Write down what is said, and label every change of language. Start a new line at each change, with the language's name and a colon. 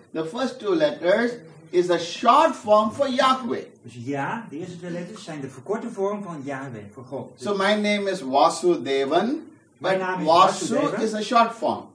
English: The first two letters is a short form for Yahweh.
Dutch: Dus ja, de eerste twee letters zijn de verkorte vorm van Yahweh, voor God. Dus
English: so my name is Vasudevan, but Vasu is a short form.